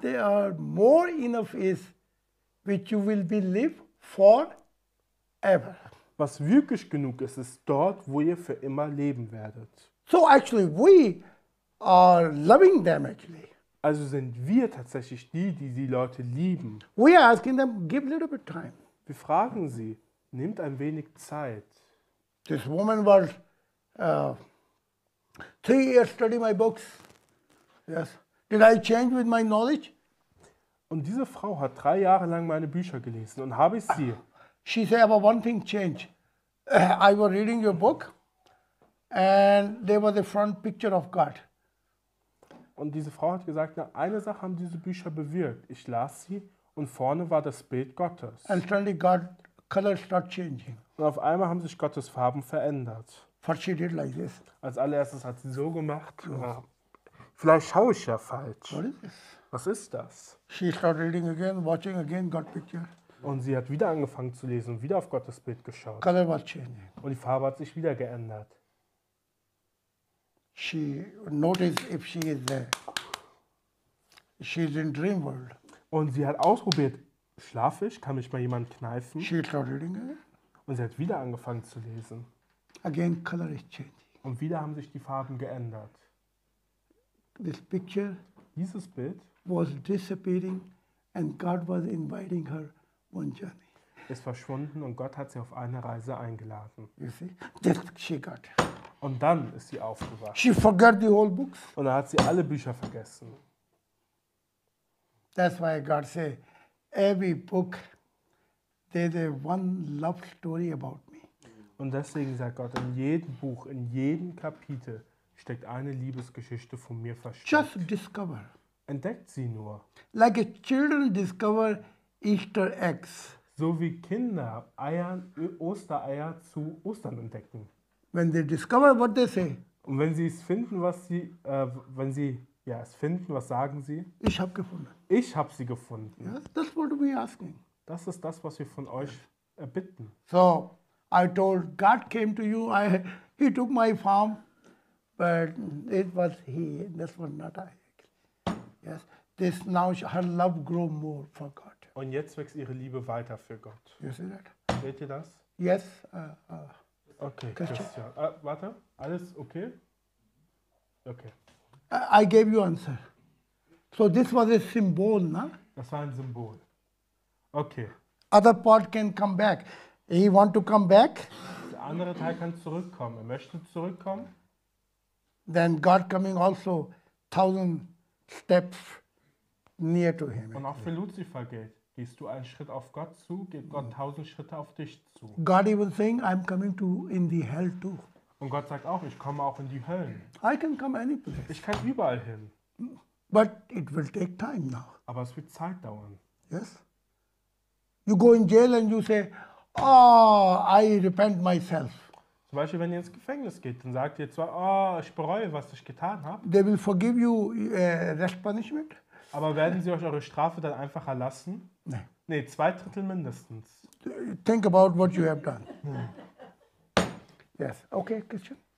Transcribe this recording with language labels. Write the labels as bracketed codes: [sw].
[en] There are more enough is which you will believe for ever. [de] Was wirklich genug ist, ist dort, wo ihr für immer leben werdet. [en] So actually we are loving them actually. [de] Also sind wir tatsächlich die Leute lieben. [en] We are asking them give a little bit time. [de] Wir fragen sie, nehmt ein wenig Zeit. [en] This woman was 3 years study my books. Yes. Did I change with my knowledge? [de] Und diese Frau hat 3 Jahre lang meine Bücher gelesen und habe ich sie. [en] She said, "But one thing changed. I was reading your book, and there was a front picture of God." [de] Und diese Frau hat gesagt, na, eine Sache haben diese Bücher bewirkt. Ich las sie und vorne war das Bild Gottes. [en] And suddenly God colors start changing. [de] Und auf einmal haben sich Gottes Farben verändert. [en] What she did like this. [de] Als allererstes hat sie so gemacht. Yes. Ja, vielleicht schaue ich ja falsch. [en] What is this? [de] Was ist das? [en] She started reading again, watching again God picture. [de] Und sie hat wieder angefangen zu lesen und wieder auf Gottes Bild geschaut. [en] Color was changing. [de] Und die Farbe hat sich wieder geändert. [en] She noticed if she is there. She is in dream world. [de] Und sie hat ausprobiert, schlafe ich, kann mich mal jemand kneifen? [en] She started reading again. [de] Und sie hat wieder angefangen zu lesen. [en] Again, color is changing. [de] Und wieder haben sich die Farben geändert. [en] This picture. [de] Dieses Bild. [en] Was disappearing, and God was inviting her one journey. [de] Ist verschwunden und Gott hat sie auf eine Reise eingeladen. [en] You see, that she got. [de] Und dann ist sie aufgewacht. [en] She forgot the whole books. [de] Und dann hat sie alle Bücher vergessen. [en] That's why God say, every book, there's a one love story about. [de] Und deswegen sagt Gott, in jedem Buch, in jedem Kapitel steckt eine Liebesgeschichte von mir versteckt. [en] Just discover. [de] Entdeckt sie nur. [en] Like a children discover Easter eggs. [de] So wie Kinder Ostereier zu Ostern entdecken. [en] When they discover what they say. [de] Und wenn sie es finden, was sie, wenn sie ja, es finden, was sagen sie? Ich habe gefunden. Ich habe sie gefunden. [en] Yes, that's what we asking. [de] Das ist das, was wir von euch erbitten. [en] So. I told God came to you. He took my farm, but it was he. This was not I. Yes. This now her love grow more for God. [de] Und jetzt wächst ihre Liebe weiter für Gott. [en] You see that? [de] Seht ihr das? [en] Yes. [de] Okay. Christian. Warte. Alles okay? Okay. [en] I gave you answer. So this was a symbol, na? [de] Das war ein Symbol. Okay. [en] Other part can come back. He want to come back. [de] Der andere Teil kann zurückkommen. Er möchte zurückkommen. [en] Then God coming also 1000 steps near to him. [de] Und auch für Lucifer gilt: Gehst du einen Schritt auf Gott zu, geht Gott 1000 Schritte auf dich zu. [en] God even saying, I'm coming to in the hell too. [de] Und Gott sagt auch: Ich komme auch in die Höllen. [en] I can come any place. [de] Ich kann überall hin. [en] But it will take time now. [de] Aber es wird Zeit dauern. [en] Yes. You go in jail and you say, oh, I repent myself. [de] Zum Beispiel, wenn ihr ins Gefängnis geht, dann sagt ihr zwar, oh, ich bereue, was ich getan habe. [en] They will forgive you rest punishment. [de] Aber werden sie euch eure Strafe dann einfach erlassen? Nein. Nee, zwei Drittel mindestens. [en] Think about what you have done. Yes, okay, Christian.